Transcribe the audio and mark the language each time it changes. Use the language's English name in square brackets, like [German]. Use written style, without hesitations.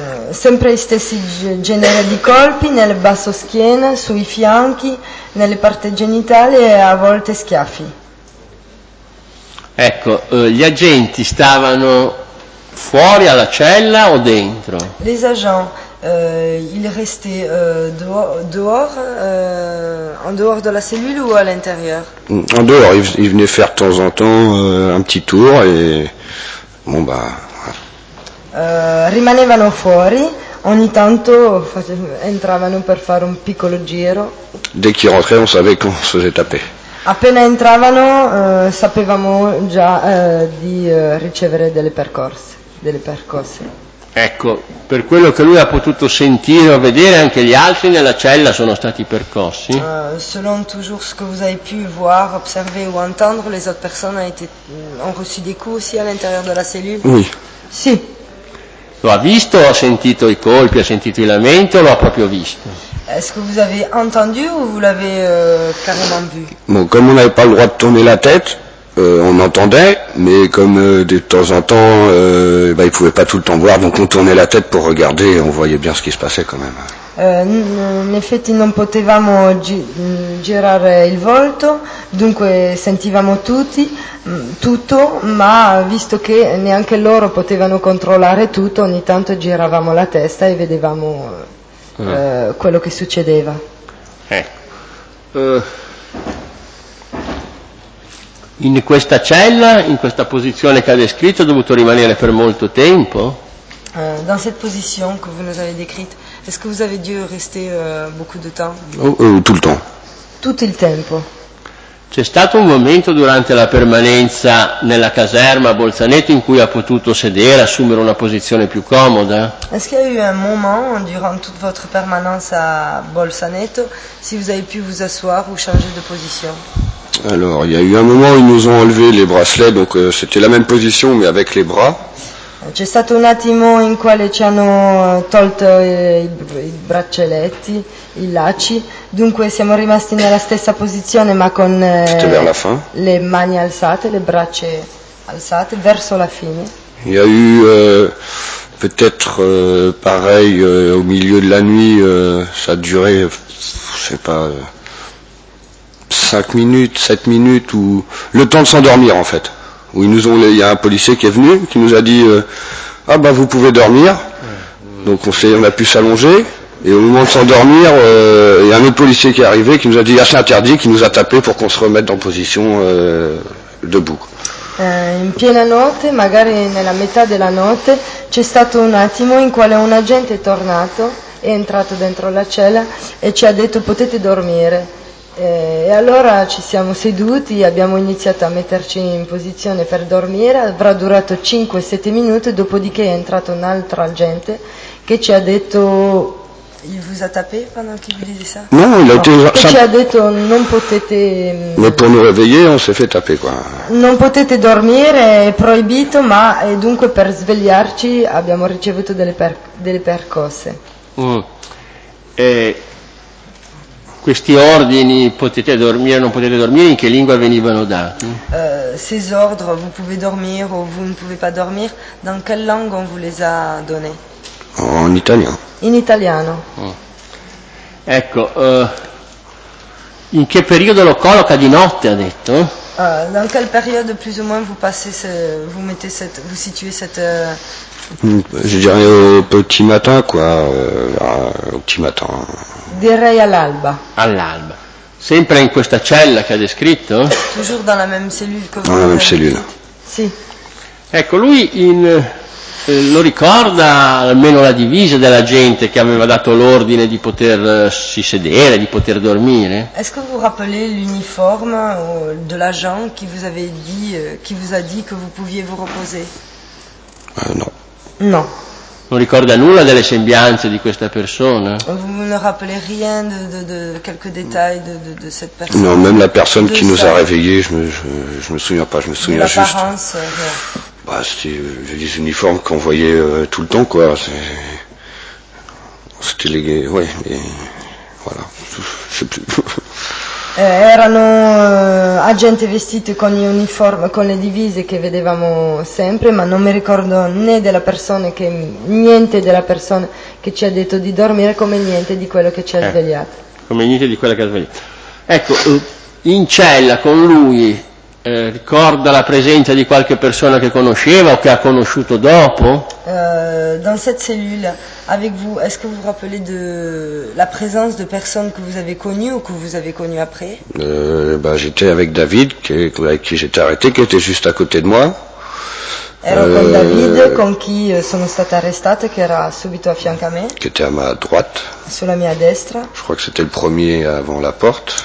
[Italian] Sempre gli stessi genere di colpi, nel basso schiena, sui fianchi, nelle parti genitali e a volte schiaffi. Ecco, gli agenti stavano fuori alla cella o dentro? [French] Les agents, ils restaient dehors, en dehors de la cellule ou à l'intérieur? En dehors, ils venaient faire de temps en temps un petit tour et bon bah. [Italian] Rimanevano fuori, ogni tanto entravano per fare un piccolo giro. [French] Dès qu'ils rentraient, on savait qu'on se faisait taper. [Italian] Appena entravano, sapevamo già di ricevere delle percosse. Ecco, per quello che lui ha potuto sentire o vedere, anche gli altri nella cella sono stati percossi? [French] Selon toujours ce que vous avez pu voir, observer ou entendre, les autres personnes ont reçu des coups aussi à l'intérieur de la cellule? Oui. [Italian] Sì. Lo ha visto o ha sentito i colpi, ha sentito i lamenti o lo ha proprio visto? [French] Est-ce que vous avez entendu ou vous l'avez carrément vu? Bon, comme on n'avait pas le droit de tourner la tête, on entendait, mais comme de temps en temps, ils ne pouvaient pas tout le temps voir, donc on tournait la tête pour regarder et on voyait bien ce qui se passait quand même. [Italian] In effetti non potevamo girare il volto, dunque sentivamo tutto, ma visto che neanche loro potevano controllare tutto, ogni tanto giravamo la testa e vedevamo... quello che succedeva. In questa cella, in questa posizione che ha descritto, ha dovuto rimanere per molto tempo? [French] Dans cette position que vous nous avez décrite, est-ce que vous avez dû rester beaucoup de temps? Tout le temps. [Italian] Tutto il tempo. C'è stato un momento durante la permanenza nella caserma a Bolzaneto in cui ha potuto sedere, assumere una posizione più comoda? [French] Est-ce qu'il y a eu un moment durant toute votre permanence à Bolzaneto si vous avez pu vous asseoir ou changer de position? Alors, il y a eu un moment où ils nous ont enlevé les bracelets, donc c'était la même position mais avec les bras. [Italian] C'è stato un attimo in quale ci hanno tolto i braccialetti, i lacci, Dunque siamo rimasti nella stessa posizione ma con le mani alzate, le braccia alzate verso la fine. [French] Il y a eu peut-être pareil au milieu de la nuit, ça a duré, je sais pas, 5 minutes, 7 minutes ou le temps de s'endormir en fait. Où ils nous ont, il y a un policier qui est venu, qui nous a dit ah ben vous pouvez dormir. Donc on a pu s'allonger. Et au moment de s'endormir, il y a un autre policier qui est arrivé, qui nous a dit « Ah, c'est interdit », qui nous a tapé pour qu'on se remette en position debout. [Italian] In piena notte, magari nella metà della notte, c'è stato un attimo in quale un agente è tornato, è entrato dentro la cella e ci ha detto « Potete dormire ». E allora ci siamo seduti, abbiamo iniziato a metterci in posizione per dormire, avrà durato 5-7 minuti, dopodiché è entrato un altro agente che ci ha detto... [French] Il vous a tapé pendant qu'il vous disait ça? Non, il a été... [Italian] Ça... Ci a detto, non potete... [French] Mais pour nous réveiller, on s'est fait taper, quoi. [Italian] Non potete dormire, è proibito, ma e dunque per svegliarci abbiamo ricevuto delle percosse. Questi ordini, potete dormire, non potete dormire, in che lingua venivano dati? [French] Ces ordres, vous pouvez dormir ou vous ne pouvez pas dormir, dans quelle langue on vous les a donné? [Italian] In italiano. In italiano. Ecco, in che periodo lo colloca di notte, ha detto? [French] Dans quel [Italian] periodo più o meno [French] vous passez, vous mettez cette, vous situez cette... Je dirais au petit matin, quoi, au petit matin. [Italian] Direi all'alba. All'alba. Sempre in questa cella che ha descritto? [French] Toujours dans la même cellule que vous. Dans la même cellule. [Italian] Sì. Ecco, lui in... lo ricorda almeno la divisa della gente che aveva dato l'ordine di potersi sedere, di poter dormire? [French] Est-ce que vous rappelez l'uniforme de l'agent qui vous avait dit, qui vous a dit que vous pouviez vous reposer? [Italian] No. No. Non ricorda nulla delle sembianze di questa persona? [French] Vous ne rappelez rien de quelques détails de cette personne? Non, même la personne qui nous a réveillés, je me souviens pas, je me souviens juste. L'apparence, ouais. Bah, c'était des uniformes qu'on voyait tout le temps, quoi. C'était les gays, ouais, mais voilà. Je sais plus. [Italian] Erano agenti vestiti con gli uniformi, con le divise che vedevamo sempre, ma non mi ricordo né della persona che niente della persona che ci ha detto di dormire, come niente di quello che ci ha svegliato. Come niente di quello che ha svegliato. Ecco, in cella con lui. Ricorda la presenza di qualche persona che conosceva o che ha conosciuto dopo? [French] Dans cette cellule, avec vous, est-ce que vous vous rappelez de la présence de personnes que vous avez connues ou que vous avez connues après? J'étais avec David, avec qui j'étais arrêté, qui était juste à côté de moi. [Italian] Ero con David, con chi sono stata arrestata, che era subito a fianco a me. [French] Che était à ma droite. [Italian] Sulla mia destra. [French] Je crois que c'était le premier avant la porte.